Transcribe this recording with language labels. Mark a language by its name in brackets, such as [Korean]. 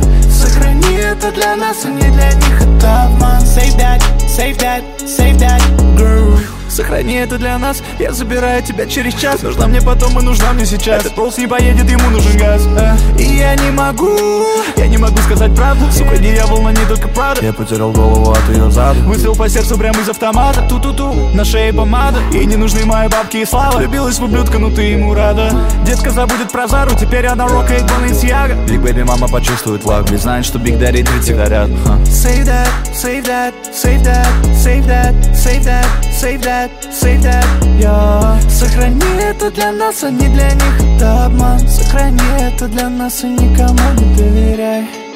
[Russian] Сохрани это для нас, а не для них, это обман. [English] Save that, save that, save that, girl. [Russian] Сохрани это для нас, я забираю тебя через час. Нужна мне потом и нужна мне сейчас. Этот пульс не поедет, ему нужен газ. И я не могу сказать правду. Сука, не я волна, не только Прада. Я потерял голову от ее зада. Выстрел по сердцу прямо из автомата. Ту-ту-ту, на шее помада. И не нужны мои бабки и слава. Влюбилась в ублюдка, но ты ему рада. Детка забудет про Зару, теперь она рокает Balenciaga. Биг бэби мама почувствует лаг. Ведь знает, что Биг Дэдди три всегда ряд. [English] Save that, save that, save that, save that, save that, save that, save that. Save that, yeah. [Russian] Сохрани это для нас, а не для них, это обман. Сохрани это для нас и никому не доверяй.